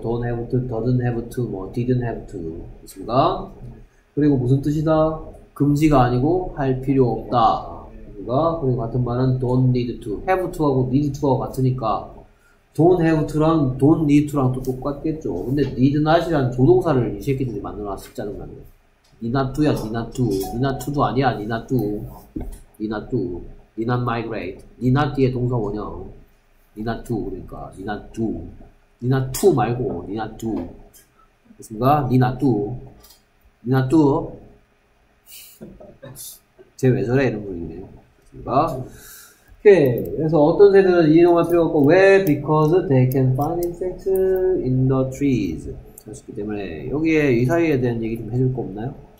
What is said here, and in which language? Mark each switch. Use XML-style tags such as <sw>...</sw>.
<en>don't have to, doesn't have to, 뭐, didn't have to.</en> <ko>그렇습니까? 그리고 무슨 뜻이다? 금지가 아니고 할 필요 없다. 그러니까 그리고 같은 말은</ko> <en>don't need to.</en> <ko>have to하고 need to하고 같으니까</ko> <en>don't have to</en> <ko>랑 don't need to랑 또 똑같겠죠. 근데 need not이라는 조동사를 이 새끼들이 만들어놨어. 짜증나네.</ko> <en>need not to야, need not to. need not to도 아니야, need not to. need not do, need not migrate, need not 뒤에 동사 원형, need not do, 그러니까, need not do, need not to 말고, need not do.</en> <ko>됐습니까?</ko> <en>need not do, need not do.</en> <ko>쟤 왜 저래? 이런 분이네. 됐습니까? 오케이. 그래서 어떤 새들은 이동할 필요 없고, 왜?</ko> <en>because they can find insects in the trees.</en> <ko>그렇기 때문에, 여기에 이 사이에 대한 얘기 좀 해줄 거 없나요?</ko>